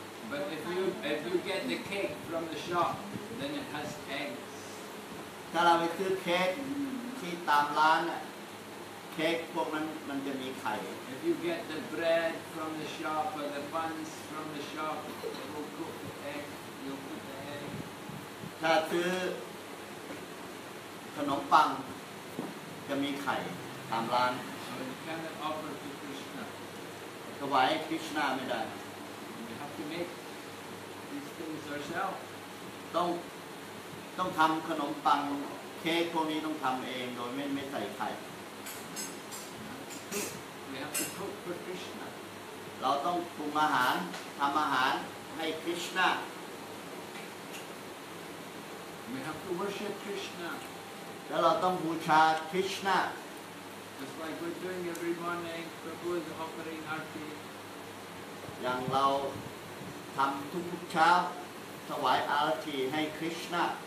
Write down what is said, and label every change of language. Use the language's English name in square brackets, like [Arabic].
[English] But if you get the cake from the shop, then it has eggs. [Thai] ถ้าเราไปซื้อเค้กที่ตามร้านน่ะเค้กพวกนั้นมันจะมีไข่ [English] If you get the bread from the shop or the buns from the shop, you'll cook the egg. You'll put the egg. [Thai] ถ้าซื้อขนมปังจะมีไข่ตามร้าน [English] So you cannot offer to Krishna. [Thai] ถวายคริสต์นาไม่ได้ [English] You have to make these things yourself. [Thai] ต้องทำขนมปังเค้กพวกนี้ต้องทำเองโดยไม่ใส่ไข่ [English] We have to cook for Krishna. [Thai] เราต้องปรุงอาหารทำอาหารให้คริสต์นา [English] We have to worship Krishna. [Thai] แล้วเราต้องบูชาคริสต์นา [English] Just like we're doing every morning, Prabhu is offering our tea. [Thai] อย่างเราทำทุกเช้าถวายอาราธีให้คริสต์นา